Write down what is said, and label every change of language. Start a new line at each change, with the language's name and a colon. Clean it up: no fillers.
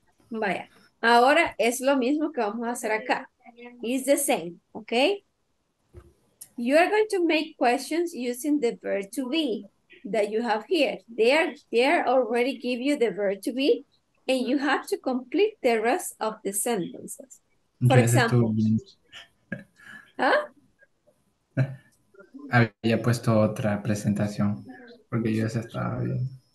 Spanish: Vaya, ahora es lo mismo que vamos a hacer acá.
English: It's the same, okay? You are going to make questions using the verb to be that you have here. They are already give you the verb to be, and you have to complete the rest of the sentences. For example,
Spanish: había puesto otra presentación porque yo se estaba viendo.